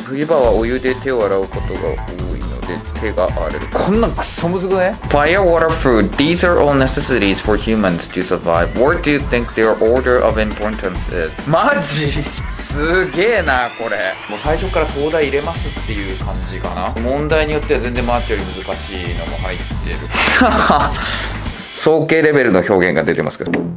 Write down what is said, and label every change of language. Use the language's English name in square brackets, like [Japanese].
[Japanese] 冬場はお湯で手を洗うことが多いので手が荒れる。こんなんクソむずくね。 [English] Fire, water, food. These are all necessities for humans to survive. What do you think their order of importance is? [Japanese] マジすげえなこれ。もう最初から灯台入れますっていう感じかな。問題によっては全然マーチより難しいのも入ってる。尊敬レベルの表現が出てますけど。